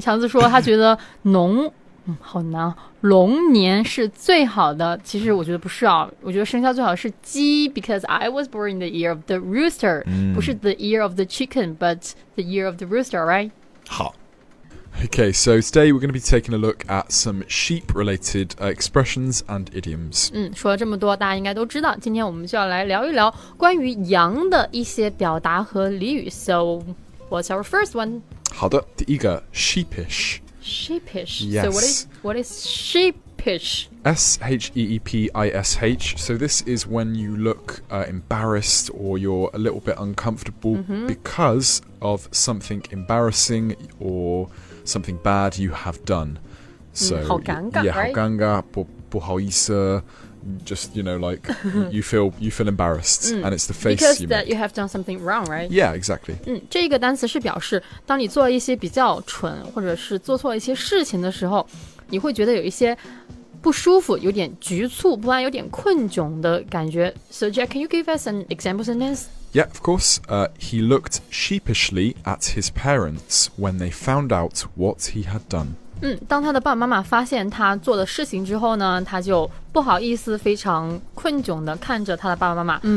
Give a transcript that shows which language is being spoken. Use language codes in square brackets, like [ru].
[zh] 强子说他觉得农好难。龙年是最好的，其实我觉得不是啊，我觉得生肖最好的是鸡 ， [en] because I was born in the year of the rooster， [zh] 不是 [en] the year of the chicken， but the year of the rooster， right？ [zh] 好。 [en] Okay, so today we're going to be taking a look at some sheep-related expressions and idioms. [zh] 说了这么多，大家应该都知道，今天我们就要来聊一聊关于羊的一些表达和俚语。 [en] So, what's our first one? [zh] 好的，第一个 sheepish. [en] Sheepish. Yes. So what is sheepish? S-H-E-E-P-I-S-H. So this is when you look embarrassed or you're a little bit uncomfortable、mm-hmm. because of something embarrassing or... something bad you have done. So, [zh] 好尴尬 yeah, 好尴尬、 [en] right? [zh] 不好意思 [en] just, you know, like, you feel embarrassed, and it's the face because you Because that you have done something wrong, right? Yeah, exactly. [zh] 这个单词是表示当你做一些比较蠢或者是做错一些事情的时候你会觉得有一些不舒服有点局促不安有点困窘的感觉 [en] So Jack, can you give us an example sentence? Yeah, of course. He looked sheepishly at his parents when they found out what he had done. [zh] 当他的爸爸妈妈发现他做的事情之后呢，他就不好意思，非常困窘的看着他的爸爸妈妈。